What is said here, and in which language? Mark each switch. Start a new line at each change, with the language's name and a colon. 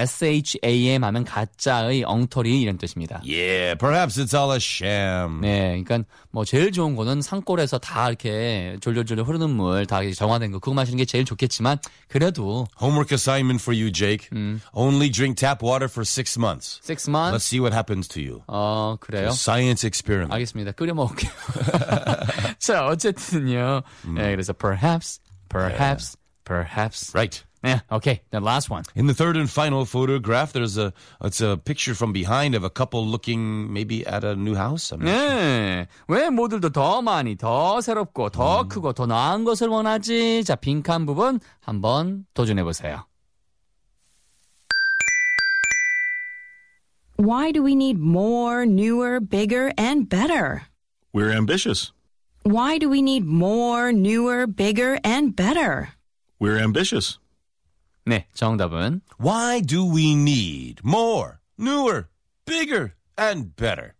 Korean: S-H-A-M 하면 가짜의 엉터리 이런 뜻입니다.
English: Yeah, perhaps it's all a sham.
Korean: 네, 그러니까 뭐 제일 좋은 거는 산골에서 다 이렇게 졸졸졸 흐르는 물 다 정화된 거 그거 마시는 게 제일 좋겠지만 그래도
English: Homework assignment for you, Jake. Only drink tap water for 6 months. 6 months? Let's see what happens to you.
Korean: 그래요?
English: It's a science experiment.
Korean: 알겠습니다. 끓여 먹을게요. 자, 어쨌든요. 네, 그래서 perhaps.
English: Yeah. Perhaps. Right. Yeah, okay. The last one. In the third and final photograph, there's a it's a picture from behind of a couple looking maybe at a new house. I'm not
Korean: 네.
English: sure.
Korean: 왜 모두들 더 많이, 더 새롭고, 더 크고, 더 나은 것을 원하지? 자, 빈칸 부분 한번 도전해 보세요.
English: Why do we need more, newer, bigger, and better? We're ambitious. Why do we need more, newer, bigger, and better? We're ambitious.
Korean: 네, 정답은
English: Why do we need more, newer, bigger, and better?